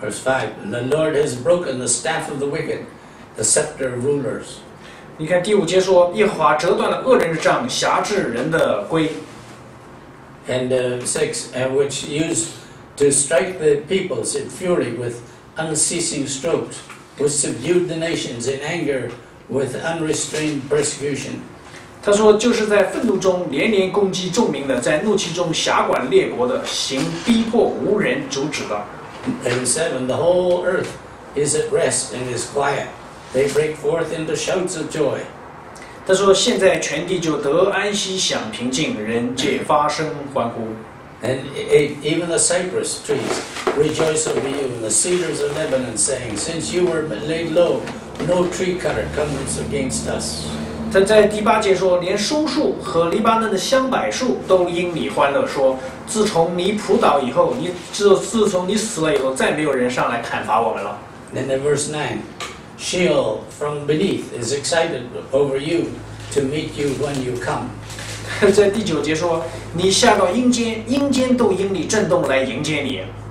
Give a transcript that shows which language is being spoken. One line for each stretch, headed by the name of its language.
English: ？Verse five, the Lord has broken the staff of the wicked, the scepter of rulers.
Chinese: 你看第五节说，耶和华折断了恶人的杖，辖制人的规。
English: And six, and which used to strike the peoples in fury with unceasing strokes. Who subdued the nations in anger with unrestrained persecution?
Chinese: 他说，就是在愤怒中连连攻击众民的，在怒气中辖管列国的，行逼迫无人阻止的。
English: And seven, the whole earth is at rest and is quiet. They break forth into shouts of joy.
Chinese: 他说，现在全地就得安息，享平静，人皆发声欢呼。
English: And even the cypress trees rejoice over you, and the cedars of Lebanon saying, Since you were laid low, no tree cutter comes against us.
Chinese: 他在第八节说，连松树和黎巴嫩的香柏树都因你欢乐，说，自从你仆倒以后，自从你死了以后，再没有人上来砍伐我们了。
English: Then in verse 9, Sheol from beneath is excited over you to meet you when you come.
Chinese: 在第九节说，你下到阴间，阴间都因你震动来迎接你。